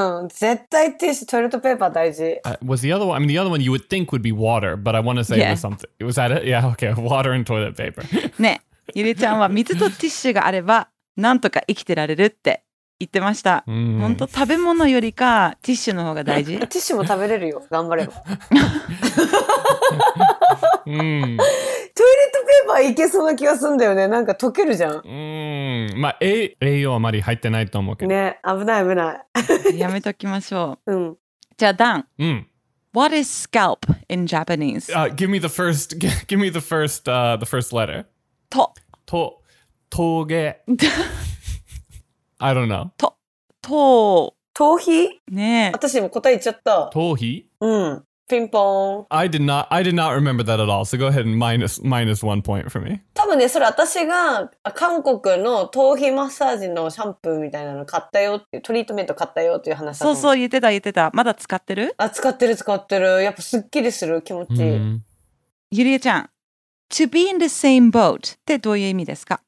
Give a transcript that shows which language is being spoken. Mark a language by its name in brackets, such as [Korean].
[Japanese] 絶対ティッシュ、トイレットペーパー大事。 [English] Was the other one? I mean, the other one you would think would be water, but I want to say it was something. Was that it? Yeah, okay. Water and toilet paper. [Japanese] ね、ゆりちゃんは水とティッシュがあれば、なんとか生きてられるって言ってました。本当、食べ物よりかティッシュの方が大事。ティッシュも食べれるよ。頑張れば。トイレットペーパーいけそうな気がするんだよね。なんか溶けるじゃん。まあ、栄養あまり入ってないと思うけど。ね、危ない危ない。やめときましょう。うん。じゃあ、ダン。うん。 [English] What is scalp in Japanese?、 give me the first, give me the first, the first letter. [Japanese] と。と。とげ。 [English] I don't know. [Japanese] と。と。頭皮? ねえ。私も答え言っちゃった。頭皮? うん。ping pong. [English] I did not remember that at all. So go ahead and minus one point for me. [Japanese] 多分ね、それ私が韓国の頭皮マッサージのシャンプーみたいなの買ったよっていう、トリートメント買ったよっていう話だった。そうそう、言ってた言ってた。まだ使ってる？あ、使ってる使ってる。やっぱすっきりする気持ちいい。ゆりえちゃん。 [English] To be in the same boat [Japanese] ってどういう意味ですか？